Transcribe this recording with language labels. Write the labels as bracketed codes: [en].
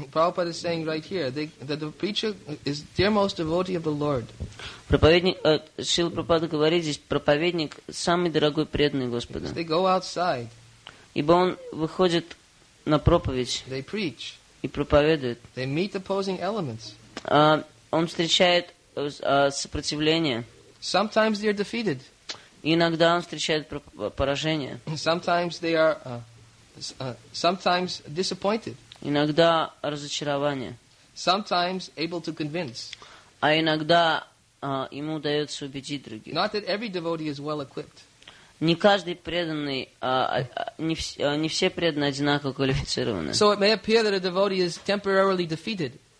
[en] Prabhupada is saying right here that the preacher is the dearmost devotee of the Lord. [ru] Проповедник, Шрила Прабхупада говорит здесь, проповедник самый дорогой преданный Господу. [en] They go outside. [ru] Ибо он выходит на проповедь. [en] They preach. [ru] И проповедует. [en] They meet opposing elements. [ru] Он встречает сопротивление. [en] Sometimes they are defeated. [ru] Иногда он встречает поражение. [en] Sometimes they are sometimes disappointed. [ru] Иногда разочарование. [en] Sometimes able to convince. [ru] А иногда ему удается убедить других. [en] Not that every devotee is well equipped. [ru] Не каждый преданный, не все преданные одинаково квалифицированы. [en] So it may appear that a devotee is temporarily defeated.